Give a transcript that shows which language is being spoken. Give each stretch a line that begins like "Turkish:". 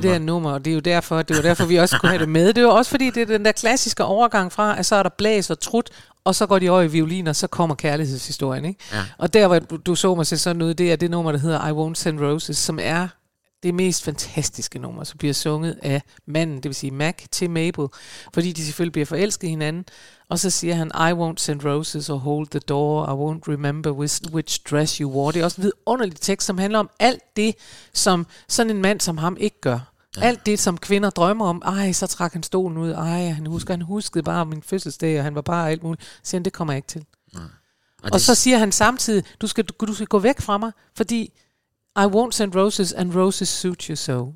Danish: Det der nummer, og det er jo derfor, vi også kunne have det med. Det er jo også fordi, det er den der klassiske overgang fra, at så er der blæs og trut, og så går de over i violin, og så kommer kærlighedshistorien. Ikke? Ja. Og der, hvor du så mig sig sådan ud, det er det nummer, der hedder I Won't Send Roses, som er det mest fantastiske nummer, som bliver sunget af manden, det vil sige Mac, til Mabel, fordi de selvfølgelig bliver forelsket hinanden. Og så siger han,
English: I won't send roses or hold the door, I won't remember which dress you wore.
Danish: Det er også en vidunderlig tekst, som handler om alt det, som sådan en mand som ham ikke gør. Alt det, som kvinder drømmer om. Ej, så trak han stolen ud. Ej, han huskede bare min fødselsdag, og han var bare alt muligt. Så siger han, det kommer jeg ikke til. Og så siger han samtidig, du skal gå væk fra mig, fordi
English: I won't send roses, and roses suit you so.